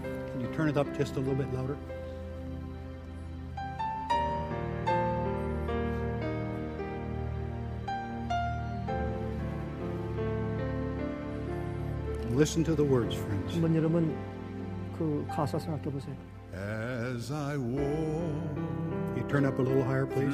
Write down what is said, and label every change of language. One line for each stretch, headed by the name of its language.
English: Can you turn it up just a little bit louder? Listen to the words, friends.
Korean: 한번 여러분 그 가사 생각해 보세요.
English: As I walk, you turn up a little higher, please.